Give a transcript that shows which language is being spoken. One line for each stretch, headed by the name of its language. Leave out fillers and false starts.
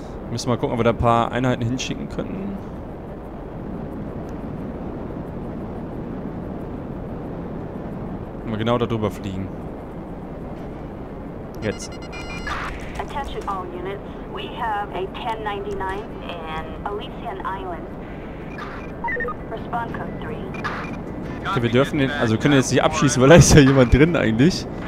German: Müssen mal gucken, ob wir da ein paar Einheiten hinschicken können. Mal genau darüber fliegen. Jetzt.
English: Attention all units. We have a 1099 in Elysian Island. Respond code 3.
German: Okay, wir dürfen den, also können jetzt nicht abschießen, weil da ist ja jemand drin eigentlich.